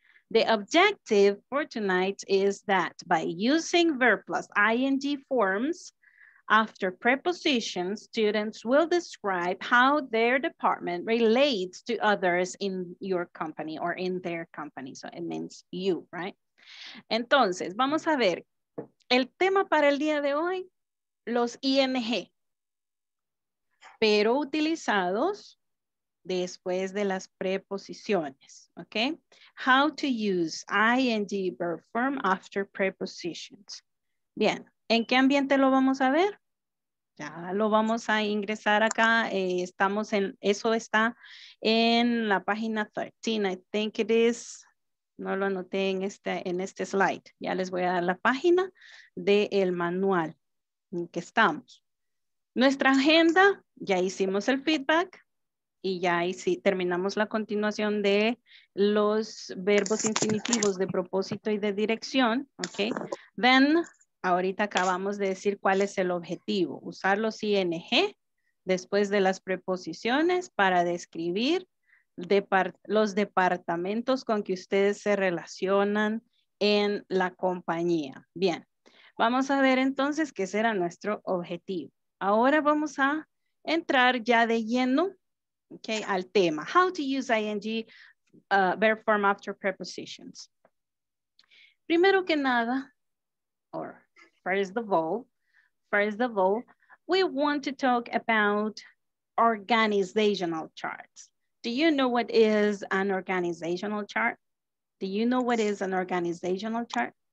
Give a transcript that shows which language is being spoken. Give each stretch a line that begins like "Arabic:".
English: The objective for tonight is that by using verb plus ing forms after prepositions, students will describe how their department relates to others in your company or in their company. So it means you, right?
Spanish: Entonces, vamos a ver. El tema para el día de hoy, los ing, pero utilizados después de las preposiciones, okay?
English: How to use ing verb form after prepositions.
Spanish: Bien, ¿en qué ambiente lo vamos a ver? Ya lo vamos a ingresar acá. Estamos en, eso está en la página 13,
English: I think it is.
Spanish: No lo anoté en este slide. Ya les voy a dar la página del manual en que estamos. Nuestra agenda, ya hicimos el feedback y ya terminamos la continuación de los verbos infinitivos de propósito y de dirección. Ok.
English: Then,
Spanish: ahorita acabamos de decir cuál es el objetivo, usar los ing después de las preposiciones para describir los departamentos con que ustedes se relacionan en la compañía. Bien, vamos a ver entonces qué será nuestro objetivo. Ahora vamos a entrar ya de lleno, okay, al tema.
English: How to use ing verb form after prepositions.
Spanish: Primero que nada,
English: First of all, we want to talk about organizational charts. Do you know what is an organizational chart? Do you know what is an organizational chart?